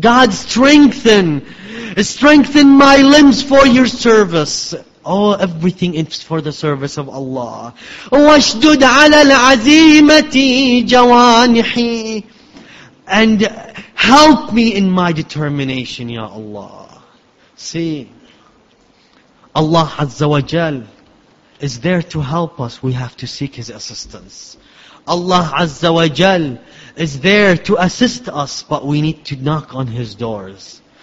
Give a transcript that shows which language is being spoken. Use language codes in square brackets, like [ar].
[en] God strengthen my limbs for your service. Oh, everything is for the service of Allah. [ar] واشدد على العزيمة جوانحي. [en] And help me in my determination, Ya Allah. See, Allah Azza wa Jal is there to help us. We have to seek His assistance. Allah Azza wa Jal is there to assist us, but we need to knock on His doors.